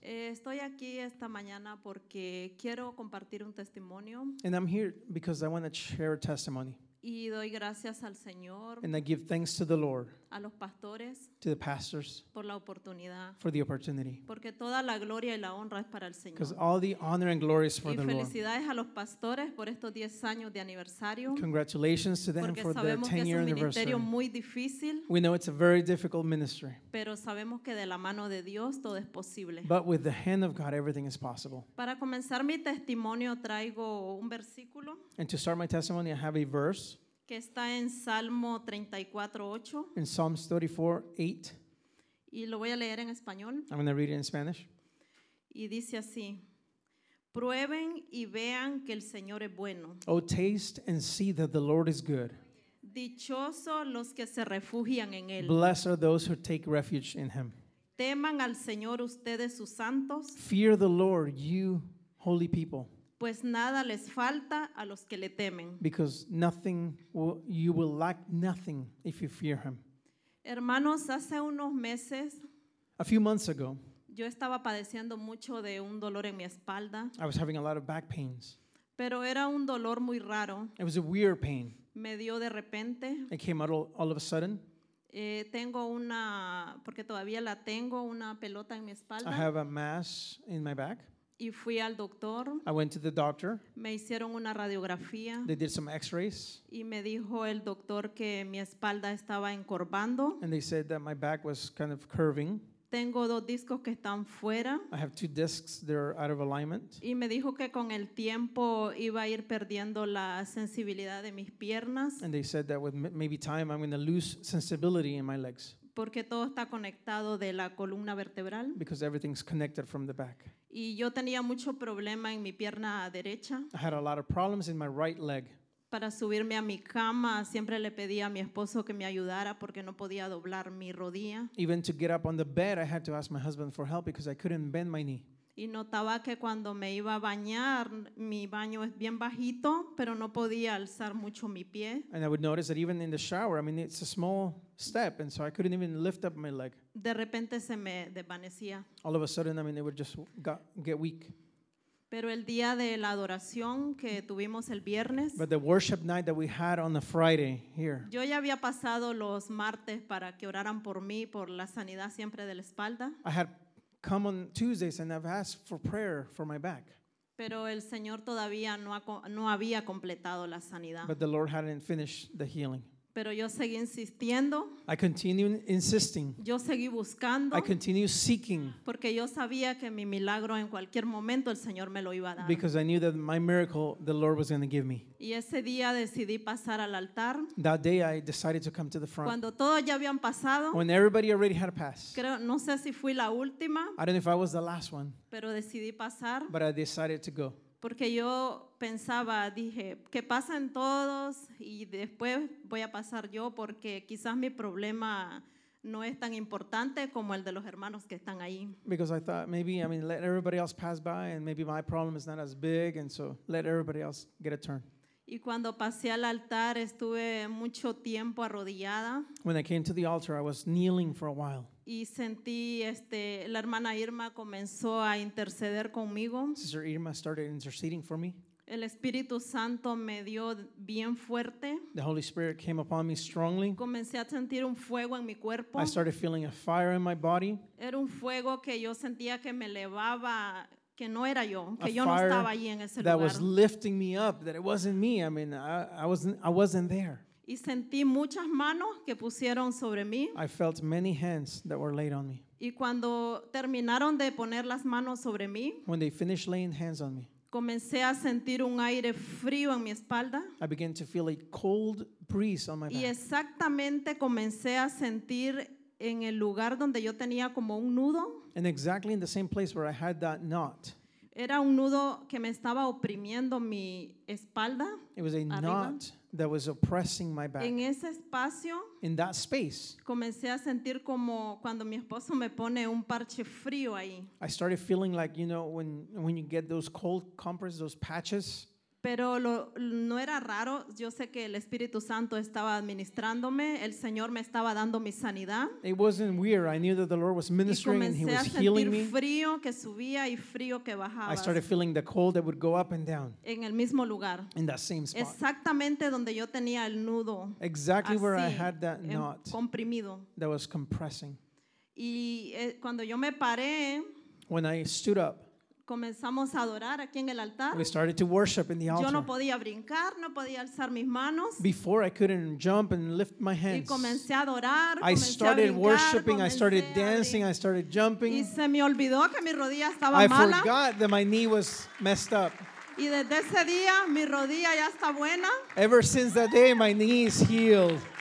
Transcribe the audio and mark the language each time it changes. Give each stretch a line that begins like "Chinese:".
Spanish: Estoy aquí esta mañana porque quiero compartir un testimonio.
English: And I'm here because I want to share a testimony.
Spanish: Y doy gracias al Señor.
English: And I give thanks to the Lord.
Spanish: A los pastores.
English: To the pastors.
Spanish: Por la oportunidad.
English: For the opportunity.
Spanish: Porque toda la gloria y la honra es para el Señor.
English: Because all the honor and glory is for the Lord.
Spanish: Y felicidades a los pastores por estos 10 años de aniversario.
English: Congratulations to them for the 10-year anniversary.
Spanish: Porque sabemos que es un ministerio muy difícil.
English: We know it's a very difficult ministry.
Spanish: Pero sabemos que de la mano de Dios todo es posible.
English: But with the hand of God everything is possible.
Spanish: Para comenzar mi testimonio traigo un versículo.
English: And to start my testimony I have a verse.
Spanish: Que está en Salmo 34:8.
English: In Psalms 34:8.
Spanish: Y lo voy a leer en español.
English: I'm going to read it in Spanish.
Spanish: Y dice así: Prueben y vean que el Señor es bueno.
English: Oh, taste and see that the Lord is good.
Spanish: Dichosos los que se refugian en él.
English: Blessed are those who take refuge in him.
Spanish: Teman al Señor ustedes sus santos.
English: Fear the Lord, you holy people.
Spanish: Pues nada les falta a los que le temen.
English: Because nothing you will lack nothing if you fear him.
Spanish: Hermanos, hace unos meses,
English: a few months ago,
Spanish: yo estaba padeciendo mucho de un dolor en mi espalda.
English: I was having a lot of back pains.
Spanish: Pero era un dolor muy raro.
English: It was a weird pain.
Spanish: Me dio de repente.
English: It came out all of a sudden.
Spanish: Tengo una, porque todavía la tengo, una pelota en mi espalda.
English: I have a mass in my back.
Spanish: Y fui al doctor.
English: I went to the doctor.
Spanish: Me hicieron una radiografía.
English: They did some x-rays.
Spanish: Y me dijo el doctor que mi espalda estaba encorvando.
English: And they said that my back was kind of curving.
Spanish: Tengo dos discos que están fuera.
English: I have two discs that are out of alignment.
Spanish: Y me dijo que con el tiempo iba a ir perdiendo la sensibilidad de mis piernas.
English: And they said that with maybe time I'm going to lose sensibility in my legs.
Spanish: Porque todo está conectado de la columna vertebral.
English: Because everything's connected from the back.
Spanish: Y yo tenía mucho problema en mi pierna derecha.
English: I had a lot of problems in my right leg.
Spanish: Para subirme a mi cama, siempre le pedí a mi esposo que me ayudara porque no podía doblar mi rodilla.
English: Even to get up on the bed, I had to ask my husband for help because I couldn't bend my knee.
Spanish: Y notaba que cuando me iba a bañar, mi baño es bien bajito, pero no podía alzar mucho mi pie.
English: And I would notice that even in the shower, I mean, it's a small step, and so I couldn't even lift up my leg.
Spanish: De repente se me desvanecía.
English: All of a sudden, I mean, it would just get weak.
Spanish: Pero el día de la adoración que tuvimos el viernes,
English: but the worship night that we had on the Friday here,
Spanish: yo ya había pasado los martes para que oraran por mí, por la sanidad siempre de la espalda.
English: I had come on Tuesdays and I've asked for prayer for my back.
Spanish: Pero el Señor todavía no había completado la sanidad.
English: But the Lord hadn't finished the healing.
Spanish: Pero yo seguí insistiendo.
English: I continued insisting.
Spanish: Yo seguí buscando.
English: I continued seeking.
Spanish: Porque yo sabía que mi milagro en cualquier momento el Señor me lo iba a dar.
English: Because I knew that my miracle the Lord was going to give me.
Spanish: Y ese día decidí pasar al altar.
English: That day I decided to come to the front.
Spanish: Cuando todos ya habían pasado.
English: When everybody already had passed.
Spanish: Creo, no sé si fui la última.
English: I don't know if I was the last one.
Spanish: Pero decidí pasar.
English: But I decided to go.
Spanish: Porque yo pensaba, dije, que pasen todos y después voy a pasar yo porque quizás mi problema no es tan importante como el de los hermanos que están ahí.
English: Because I thought maybe, I mean, let everybody else pass by and maybe my problem is not as big and so let everybody else get a turn.
Spanish: Y cuando pasé al altar estuve mucho tiempo arrodillada.
English: When I came to the altar, I was kneeling for a while.
Spanish: Y sentí la hermana Irma comenzó a interceder conmigo.
English: Sister Irma started interceding for me.
Spanish: El Espíritu Santo me dio bien fuerte.
English: The Holy Spirit came upon me strongly.
Spanish: Comencé a sentir un fuego en mi cuerpo.
English: I started feeling a fire in my body.
Spanish: Era un fuego que yo sentía que me elevaba, que no era yo, que yo no estaba allí en ese lugar.
English: That was lifting me up, that it wasn't me. I mean, I wasn't there.
Spanish: Y sentí muchas manos que pusieron sobre mí.
English: I felt many hands that were laid on me.
Spanish: Y cuando terminaron de poner las manos sobre mí,
English: when they finished laying hands on me,
Spanish: comencé a sentir un aire frío en mi espalda.
English: I began to feel a cold breeze on my back.
Spanish: Y exactamente comencé a sentir en el lugar donde yo tenía como un nudo.
English: And exactly in the same place where I had that knot.
Spanish: Era un nudo que me estaba oprimiendo mi espalda.
English: It was a
Spanish: arriba.
English: Knot that was oppressing my back.
Spanish: En ese espacio,
English: in that space,
Spanish: comencé a sentir como cuando mi esposo me pone un parche frío ahí.
English: I started feeling like, you know, when you get those cold compresses, those patches.
Spanish: Pero no era raro. Yo sé que el Espíritu Santo estaba administrándome. El Señor me estaba dando mi sanidad.
English: It wasn't weird. I knew that the Lord was ministering and He was healing me.
Spanish: Y comencé a sentir frío que subía y frío que bajaba.
English: I started feeling the cold that would go up and down.
Spanish: En el mismo lugar.
English: In that same spot.
Spanish: Exactamente donde yo tenía el nudo.
English: Exactly
Spanish: así,
English: where I had that knot.
Spanish: Comprimido.
English: That was compressing.
Spanish: Y cuando yo me paré.
English: When I stood up.
Spanish: Comenzamos a adorar aquí en el altar.
English: We started to worship in the altar.
Spanish: Yo no podía brincar, no podía alzar mis manos.
English: Before I couldn't jump and lift my hands.
Spanish: Y comencé a adorar,
English: I started
Spanish: a brincar,
English: worshiping, I started dancing, I started jumping.
Spanish: Y se me olvidó que mi rodilla estaba
English: I
Spanish: mala.
English: Forgot that my knee was messed up.
Spanish: Y desde ese día mi rodilla ya está buena.
English: Ever since that day my knee is healed.